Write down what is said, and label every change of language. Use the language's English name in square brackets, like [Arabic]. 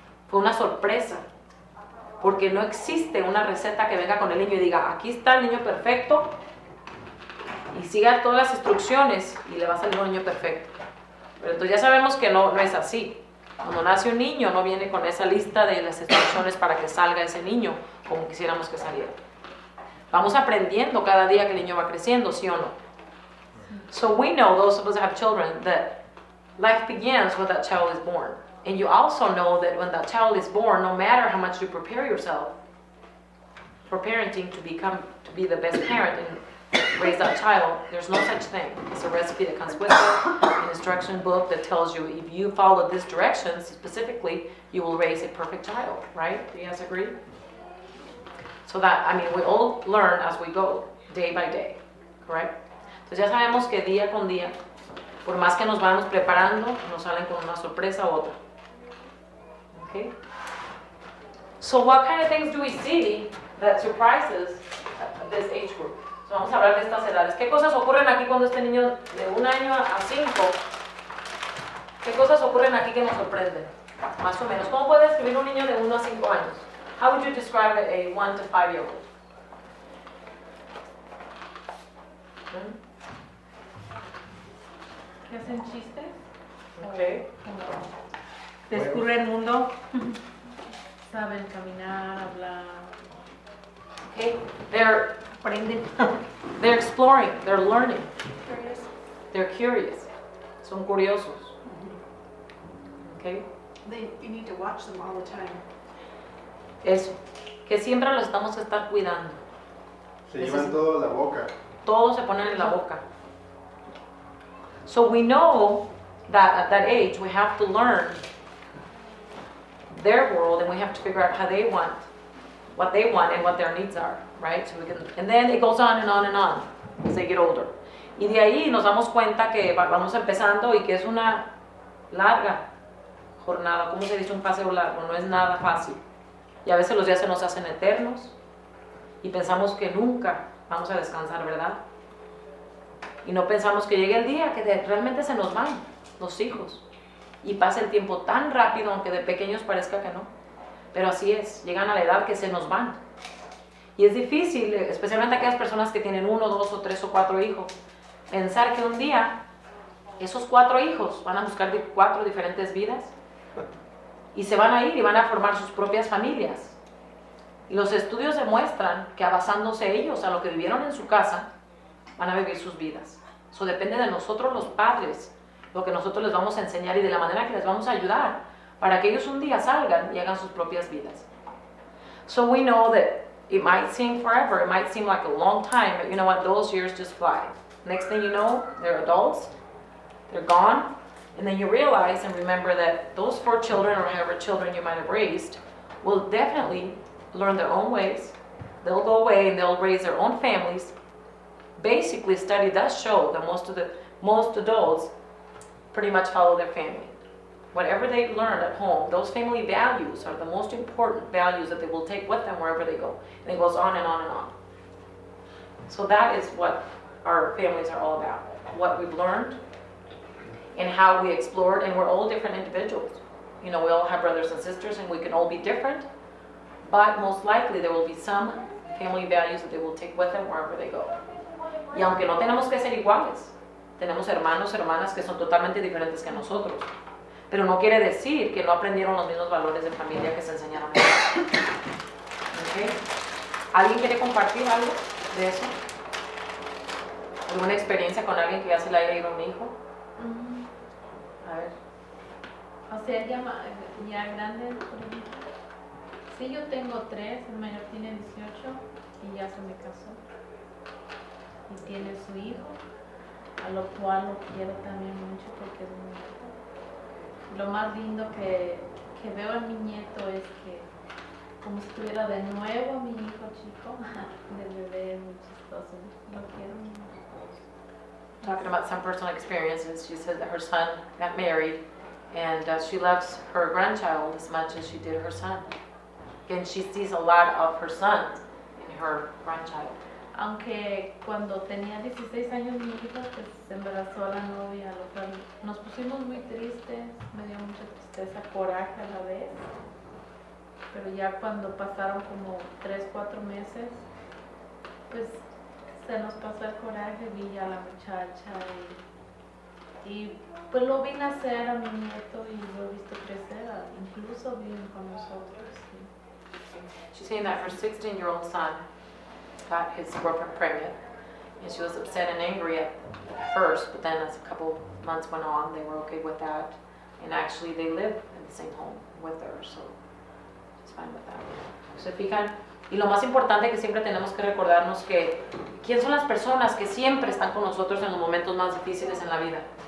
[Spanish] Fue una sorpresa, porque no existe una receta que venga con el niño y diga, aquí está el niño perfecto, y siga todas las instrucciones y le va a salir un niño perfecto. Pero entonces ya sabemos que no es así. Cuando nace un niño, no viene con esa lista de las instrucciones para que salga ese niño como quisiéramos que saliera. Vamos aprendiendo cada día que el niño va creciendo, ¿sí o no? [English] So we know, those of us that have children, that life begins when that child is born. And you also know that when that child is born, no matter how much you prepare yourself for parenting to be the best parent and raise that child, there's no such thing. It's a recipe that comes with it, an instruction book that tells you if you follow these directions specifically, you will raise a perfect child, right? Do you guys agree? So that, I mean, we all learn as we go, day by day, correct? [Spanish] Entonces ya sabemos que día con día, por más que nos vamos preparando, nos salen con una sorpresa u otra. [English] Okay? So what kind of things do we see that surprises this age group? [Spanish] Vamos a hablar de estas edades. ¿Qué cosas ocurren aquí cuando este niño de un año a cinco? ¿Qué cosas ocurren aquí que nos sorprenden? Más o menos. ¿Cómo puede describir un niño de 1 a 5 años? [English] How would you describe a 1 to 5 year old? ¿Mm? [Spanish] ¿Qué hacen chistes? [English] Okay. [Spanish] Descubre el mundo. Saben caminar, hablar. [English] Okay. They're exploring, they're learning. Curious. They're curious. [Spanish] Son curiosos. [English] Okay? You need to watch them all the time. [Spanish] Eso. Que siempre los estamos a estar cuidando. Se llevan es, todo la boca. Todo se ponen en la boca. [English] So we know that at that age we have to learn their world, and we have to figure out how they want, what they want, and what their needs are, right? So we can, and then it goes on and on and on as they get older. Y de ahí nos damos cuenta que vamos empezando y que es una larga jornada. ¿Cómo se dice? Un paseo largo. No es nada fácil. Y a veces los días se nos hacen eternos y pensamos que nunca vamos a descansar, ¿verdad? Y no pensamos que llegue el día que realmente se nos van los hijos. Y pasa el tiempo tan rápido, aunque de pequeños parezca que no. Pero así es, llegan a la edad que se nos van. Y es difícil, especialmente aquellas personas que tienen uno, dos, o tres o cuatro hijos, pensar que un día esos cuatro hijos van a buscar cuatro diferentes vidas y se van a ir y van a formar sus propias familias. Y los estudios demuestran que basándose ellos a lo que vivieron en su casa, van a vivir sus vidas. Eso depende de nosotros los padres, lo que nosotros les vamos a enseñar y de la manera que les vamos a ayudar para que ellos un día salgan y hagan sus propias vidas. So we know that it might seem forever, it might seem like a long time, but you know what, those years just fly. Next thing you know, they're adults, they're gone, and then you realize and remember that those four children or however children you might have raised will definitely learn their own ways. They'll go away and they'll raise their own families. Basically, study does show that most adults pretty much follow their family. Whatever they learn at home, those family values are the most important values that they will take with them wherever they go. And it goes on and on and on. So that is what our families are all about. What we've learned and how we explored, and we're all different individuals. You know, we all have brothers and sisters and we can all be different, but most likely there will be some family values that they will take with them wherever they go. [Spanish] Y aunque no tenemos que ser iguales, tenemos hermanos, hermanas que son totalmente diferentes que nosotros. Pero no quiere decir que no aprendieron los mismos valores de familia que se enseñaron. Okay. ¿Alguien quiere compartir algo de eso? ¿Alguna experiencia con alguien que ya se le haya ido a un hijo? Uh-huh. A ver. O sea, ya grande. Sí, yo tengo tres. El mayor tiene 18 y ya se me casó. Y tiene su hijo, a lo cual lo quiero también mucho porque es un hijo. Lo más lindo que veo en mi nieto es que como si tuviera de nuevo mi hijo chico, de bebé, es muy chistoso. Lo quiero mucho. [English] Talking about some personal experiences, she said that her son got married and she loves her grandchild as much as she did her son. And she sees a lot of her son in her grandchild. [Spanish] Aunque cuando tenía 16 años mi hija, pues se embarazó a la novia, lo cual nos pusimos muy tristes, me dio mucha tristeza, coraje a la vez. Pero ya cuando pasaron como 3, 4 meses, pues se nos pasó el coraje, vi ya a la muchacha y pues lo vi nacer a mi nieto y lo he visto crecer, incluso viven con nosotros. Y... [English] She's saying that her 16-year-old son got his girlfriend pregnant, and she was upset and angry at first, but then as a couple months went on, they were okay with that, and actually they live in the same home with her, so she's fine with that. [Spanish] ¿Se fijan? Y lo más importante que siempre tenemos que recordarnos que ¿quién son las personas que siempre están con nosotros en los momentos más difíciles en la vida?